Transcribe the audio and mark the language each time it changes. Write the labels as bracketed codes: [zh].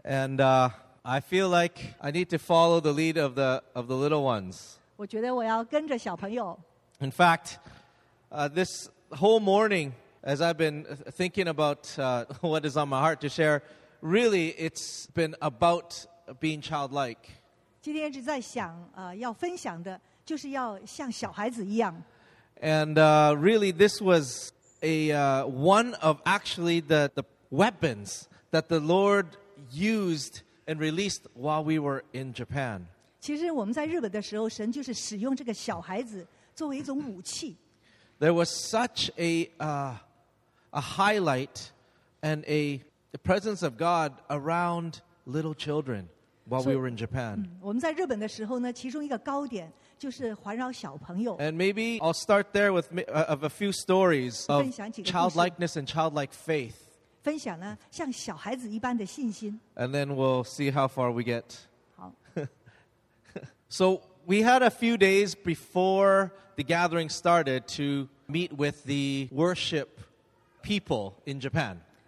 [en] And I feel like I need to follow the lead of the little ones. [zh] 我觉得我要跟着小朋友. [en] In fact, this whole morning, as I've been thinking about what is on my heart to share, really, it's been about being childlike. [zh] 今天一直在想, 要分享的, 就是要像小孩子一样。 [en] And really, this was a one of actually the weapons that the Lord used and released while we were in Japan. [zh] 其实我们在日本的时候, 神就是使用这个小孩子作为一种武器。 [en] There was such a highlight and the presence of God around little children while we were in Japan. [zh] 我们在日本的时候呢, 其中一个高点, [en] And maybe I'll start there with of a few stories of childlikeness and childlike faith. [zh] 分享呢,像小孩子一般的信心。 [en] And then we'll see how far we get. [zh] 好。 [en] So we had a few days before the gathering started to meet with the worship people in Japan.